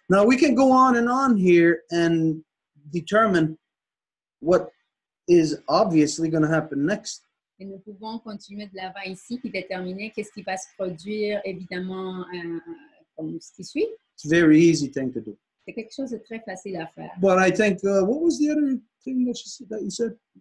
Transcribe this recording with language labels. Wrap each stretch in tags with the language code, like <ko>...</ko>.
<en>Now we can go on and on here and determine what is obviously going to happen next.</en> <fr>Et nous pouvons continuer de l'avant ici puis déterminer qu'est-ce qui va se produire évidemment comme ce qui suit.</fr> <en>It's a very easy thing to do.</en> <fr>C'est quelque chose de très facile à faire.</fr> <en>But I think, what was the other thing that you said?</en>